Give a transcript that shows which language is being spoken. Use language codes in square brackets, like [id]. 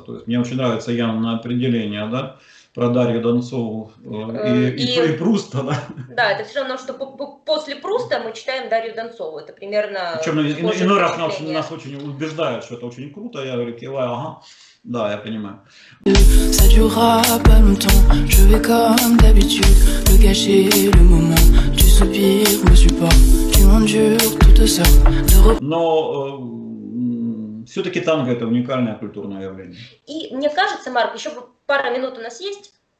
[ru] То есть мне очень нравится явное определение, да, про Дарью Донцову и Пруста. Да. Да, это все равно, что после Пруста мы читаем Дарью Донцову, это примерно... Причем иной раз нас очень убеждают, что это очень круто, я говорю, киваю, ага. Да, я понимаю. [fr] Ça durera pas longtemps. Je vais comme d'habitude me gâcher le moment. Tu soupires, me supportes, tu m'endures toute seule. [ru] Но все-таки танго — это уникальное культурное явление. И мне кажется, Марк, еще пара минут у нас есть.